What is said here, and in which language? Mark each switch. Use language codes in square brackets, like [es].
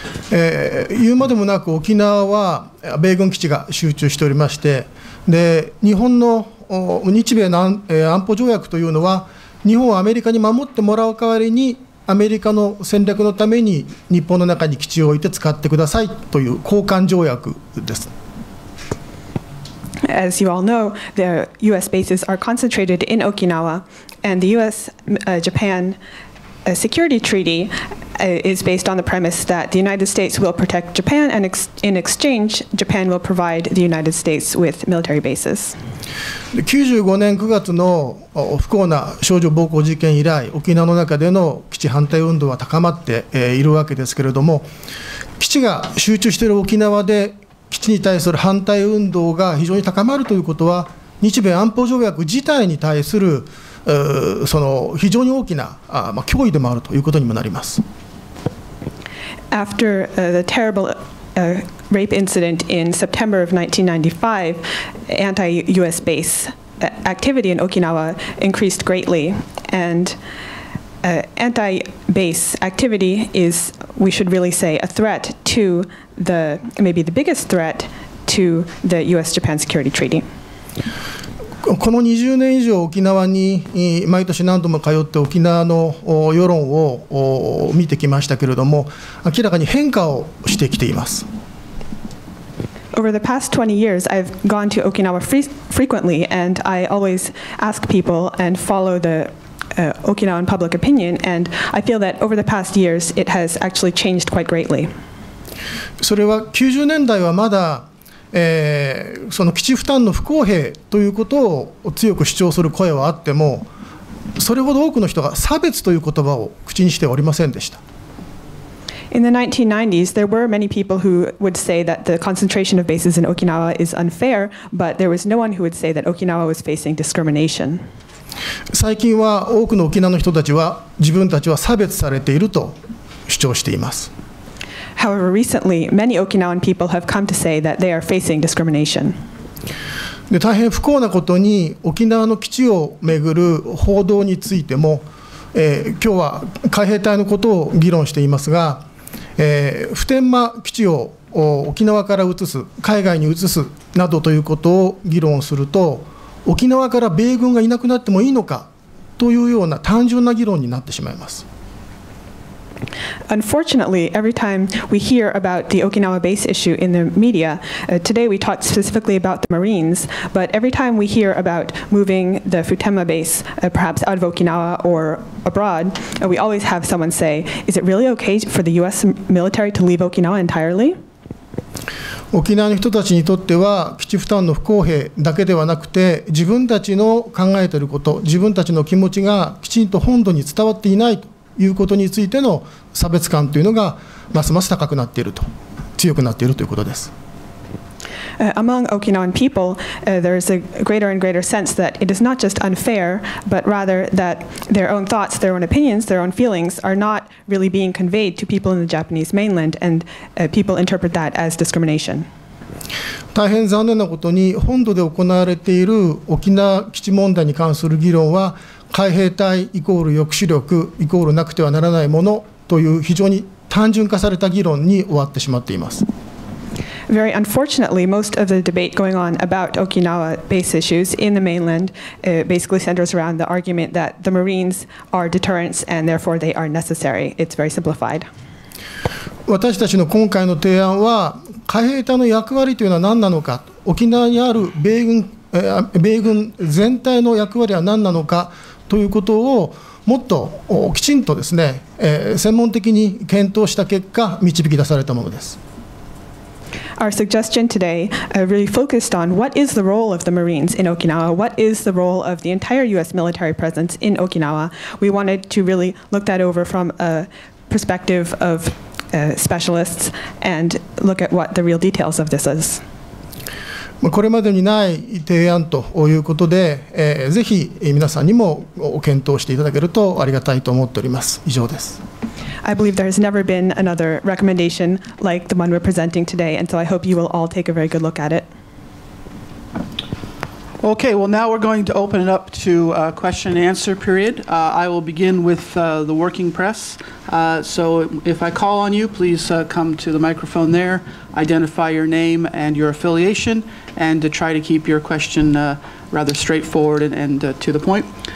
[ja] 言うまでもなく沖縄は米軍基地が集中しておりまして、で、日本の日米の安保条約というのは、日本をアメリカに守ってもらう代わりに、アメリカの戦略のために日本の中に基地を置いて使ってくださいという交換条約です。 [en] As you all know, the U.S. bases are concentrated in Okinawa, and the U.S.-Japan security treaty is based on the premise that the United States will protect Japan, and in exchange, Japan will provide the United States with military bases. [ja] 95年9月の不幸な少女暴行事件以来、沖縄の中での基地反対運動は高まっているわけですけれども、基地が集中している沖縄で、基地に対する反対運動が非常に高まるということは、日米安保条約自体に対するその非常に大きな脅威でもあるということにもなります。 [en] After the terrible rape incident in September of 1995, anti-US base activity in Okinawa increased greatly, and anti-base activity is, we should really say, a threat to the, maybe the biggest threat to the U.S.-Japan Security Treaty. [ja] この20年以上沖縄に毎年何度も通って沖縄の世論を見てきましたけれども、明らかに変化をしてきています。 [en] Over the past 20 years, I've gone to Okinawa frequently, and I always ask people and follow theOkinawan public opinion, and I feel that over the past years, it has actually changed quite greatly. [ja] それは90年代はまだ、その基地負担の不公平ということを強く主張する声はあっても、それほど多くの人が差別という言葉を口にしておりませんでした。 [en] In the 1990s, there were many people who would say that the concentration of bases in Okinawa is unfair, but there was no one who would say that Okinawa was facing discrimination. [ja] 最近は多くの沖縄の人たちは自分たちは差別されていると主張しています。 [en] However, recently, many Okinawan people have come to say that they are facing discrimination. [ja] で、大変不幸なことに沖縄の基地をめぐる報道についても、今日は海兵隊のことを議論していますが、普天間基地を沖縄から移す、海外に移すなどということを議論すると、沖縄から米軍がいなくなってもいいのかというような単純な議論になってしまいます。 [en] Unfortunately, every time we hear about the Okinawa base issue in the media, today we talked specifically about the Marines, but every time we hear about moving the Futenma base, perhaps out of Okinawa or abroad, we always have someone say, is it really okay for the US military to leave Okinawa entirely? [ja] 沖縄の人たちにとっては基地負担の不公平だけではなくて自分たちの考えていること自分たちの気持ちがきちんと本土に伝わっていないということについての差別感というのがますます高くなっていると、強くなっているということです。 [en] Among Okinawan people, there is a greater and greater sense that it is not just unfair, but rather that their own thoughts, their own opinions, their own feelings are not really being conveyed to people in the Japanese mainland, and people interpret that as discrimination. [ja] 大変残念なことに、本土で行われている沖縄基地問題に関する議論は、海兵隊イコール抑止力イコールなくてはならないものという非常に単純化された議論に終わってしまっています。 [en] Very unfortunately, most of the debate going on about Okinawa base issues in the mainland basically centers around the argument that the Marines are deterrents and therefore they are necessary. It's very simplified. [ja] 私たちの今回の提案は、海兵隊の役割というのは何なのか、沖縄にある米軍全体の役割は何なのかということをもっときちんとですね、専門的に検討した結果、導き出されたものです。 [en] Our suggestion today really focused on what is the role of the Marines in Okinawa, what is the role of the entire U.S. military presence in Okinawa. We wanted to really look that over from a perspective of specialists and look at what the real details of this is. [ja] これまでにない提案ということで、ぜひ皆さんにも検討していただけるとありがたいと思っております。以上です。 [en] I believe there has never been another recommendation like the one we're presenting today, and so I hope you will all take a very good look at it. Okay, well now we're going to open it up to a question and answer period. I will begin with the working press. So if I call on you, please come to the microphone there, identify your name and your affiliation, and to try to keep your question rather straightforward and to the point.